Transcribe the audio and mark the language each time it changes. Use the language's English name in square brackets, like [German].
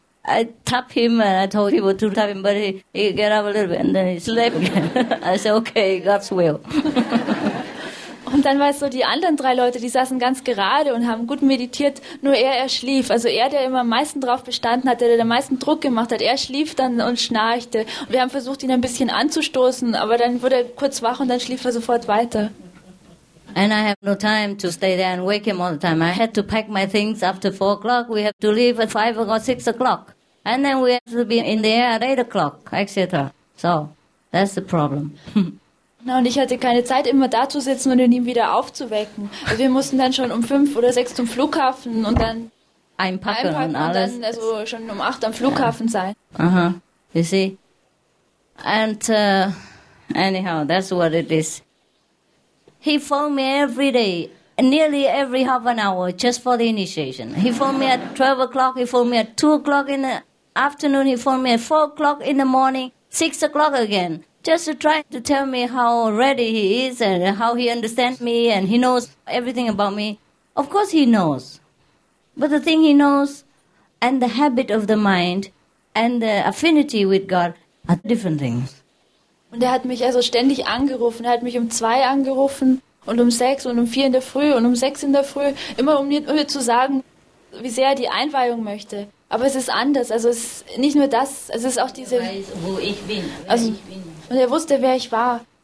[English] I tap him and I told people to tap him, but he get up a little bit and then he slept. I said, okay, God's will. [German] Und dann war es so, die anderen 3 Leute, die saßen ganz gerade und haben gut meditiert, nur er schlief. Also er, der immer am meisten drauf bestanden hat, der am meisten Druck gemacht hat, er schlief dann und schnarchte. Und wir haben versucht, ihn ein bisschen anzustoßen, aber dann wurde er kurz wach und dann schlief er sofort weiter. [English] And I have no time to stay there and wake him all the time. I had to pack my things after 4 o'clock. We have to leave at 5 or 6 o'clock. And then we have to be in the air at 8 o'clock, etc. So, that's the problem. [German] Na, und ich hatte keine Zeit, immer da zu sitzen und ihn wieder aufzuwecken. Also wir mussten dann schon um 5 oder 6 zum Flughafen und dann einpacken und alles. Und dann also schon um 8 am Flughafen sein. [English] Aha, you see? And anyhow, that's what it is. He phoned me every day, nearly every half an hour, just for the initiation. He phoned me at 12 o'clock, he phoned me at 2 o'clock in the afternoon, he phoned me at 4 o'clock in the morning, 6 o'clock again, just to try to tell me how ready he is and how he understands me and he knows everything about me. Of course he knows. But the thing he knows and the habit of the mind and the affinity with God are different things. [German] Und er hat mich also ständig angerufen. Er hat mich um 2 angerufen und um 6 und um 4 in der Früh und um 6 in der Früh. Immer um mir zu sagen, wie sehr er die Einweihung möchte. Aber es ist anders. Also es ist nicht nur das, es ist auch diese... Er weiß, wo ich bin, wer also, ich bin. Und er wusste, wer ich war.